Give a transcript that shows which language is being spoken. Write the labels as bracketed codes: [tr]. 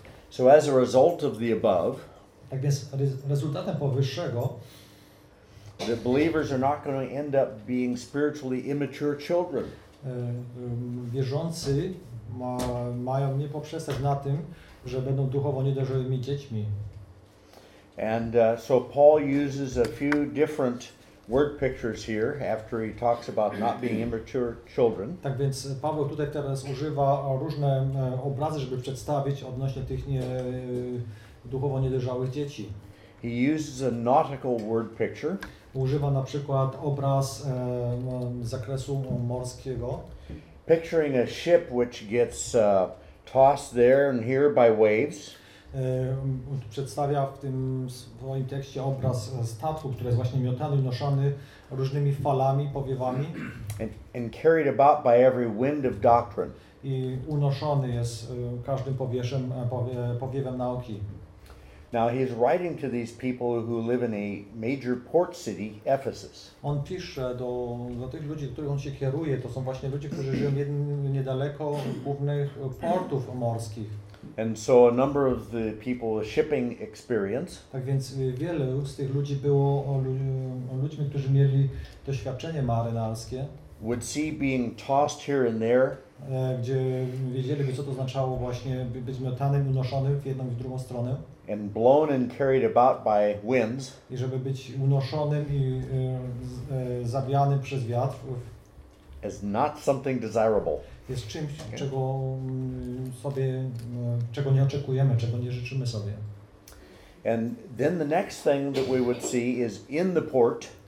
[en] So as a result of the above, [pl] tak więc rezultatem powyższego, [en] the believers are not going to end up being spiritually immature children. [pl] Wierzący mają nie poprzestać na tym, że będą duchowo niedojrzałymi dziećmi. [en] And so Paul uses a few different word pictures here after he talks about not being immature children. [pl] Tak więc Paweł tutaj teraz używa różne obrazy, żeby przedstawić odnośnie tych duchowo niedojrzałych dzieci. [en] He uses a nautical word picture. [pl] Używa na przykład obraz zakresu morskiego. [en] Picturing a ship which gets tossed there and here by waves. [pl] Przedstawia w tym swoim tekście obraz statku, który jest właśnie miotany, noszony różnymi falami, powiewami. [en] And carried about by every wind of doctrine. [pl] I unoszony jest każdym powiewem, powiewem nauki. [en] Now he is writing to these people who live in a major port city, Ephesus. [pl] On pisze do tych ludzi, do których on się kieruje. To są właśnie ludzie, którzy żyją niedaleko głównych portów morskich. [en] And so a number of the people with shipping experience. [pl] Tak więc wiele z tych ludzi było ludźmi, którzy mieli doświadczenie marynarskie. [en] Would see being tossed here and there. [pl] Gdzie wiedzieliby, co to oznaczało właśnie być miotanym, unoszonym w jedną i w drugą stronę. [en] And blown and carried about by winds. [pl] I żeby być unoszonym i zawianym przez wiatr. [en] Is not something desirable. [pl] Jest czymś, czego sobie, czego nie oczekujemy, czego nie życzymy sobie. [en] And then the next thing that we would see is in the port.